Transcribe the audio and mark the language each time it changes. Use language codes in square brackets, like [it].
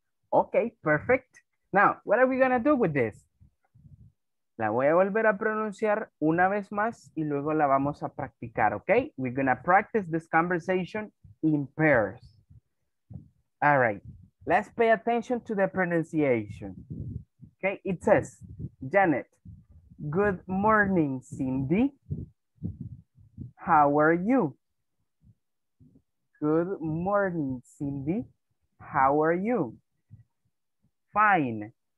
[en] Ok, perfect. Now, what are we going to do with this? [es] La voy a volver a pronunciar una vez más y luego la vamos a practicar, ¿ok? [en] We're gonna practice this conversation in pairs. All right, let's pay attention to the pronunciation. Okay, it says, Janet, good morning, Cindy. How are you? Good morning, Cindy. How are you? Fine.